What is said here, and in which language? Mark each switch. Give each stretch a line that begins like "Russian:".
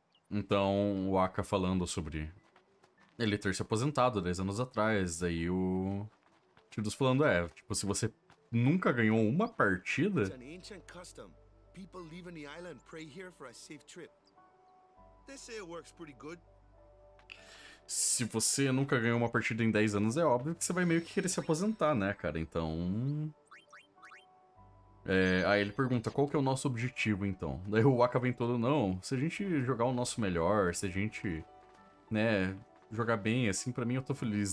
Portuguese: Então, o Aka falando sobre ele ter se aposentado 10 anos atrás, aí o Tidus falando, tipo, se você nunca ganhou uma partida.
English: It's an ancient custom. People leaving the island pray here for a safe trip. They say it works pretty good.
Portuguese: Se você nunca ganhou uma partida em 10 anos, é óbvio que você vai meio que querer se aposentar, né, cara? Então. Aí ele pergunta: qual que é o nosso objetivo, então? Daí o Waka vem todo: não, se a gente jogar o nosso melhor, se a gente, né, jogar bem, assim, pra mim eu tô feliz.